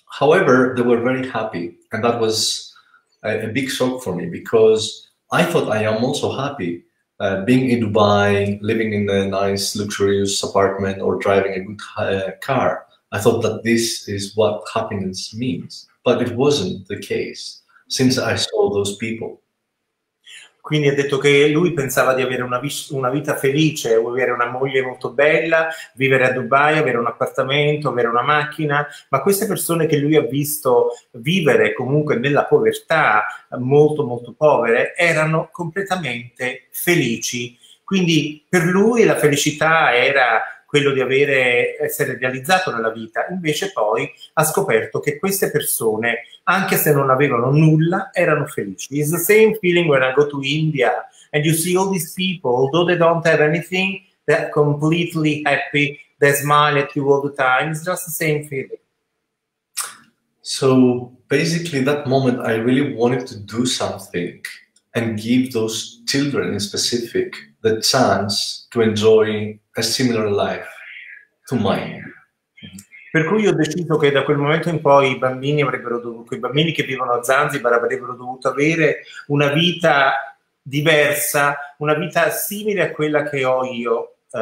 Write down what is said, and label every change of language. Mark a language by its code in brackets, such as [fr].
[en] However, they were very happy, and that was a big shock for me, because I thought I am also happy being in Dubai, living in a nice luxurious apartment, or driving a good car. I thought that this is what happiness means, but it wasn't the case since I saw those people. [it] Quindi ha detto che lui pensava di avere una vita felice, avere una moglie molto bella, vivere a Dubai, avere un appartamento, avere una macchina, ma queste persone che lui ha visto vivere comunque nella povertà, molto molto povere, erano completamente felici. Quindi per lui la felicità era quello di avere, essere realizzato nella vita. Invece poi ha scoperto che queste persone, anche se non avevano nulla, erano felici. [en] It's the same feeling when I go to India and you see all these people, although they don't have anything, they're completely happy, they smile at you all the time. It's just the same feeling. So basically that moment I really wanted to do something and give those children in specific the chance to enjoy a similar life to mine. [it] Per cui ho deciso che da quel momento in poi i bambini che vivono a Zanzibar avrebbero dovuto avere una vita diversa, una vita simile a quella che ho io.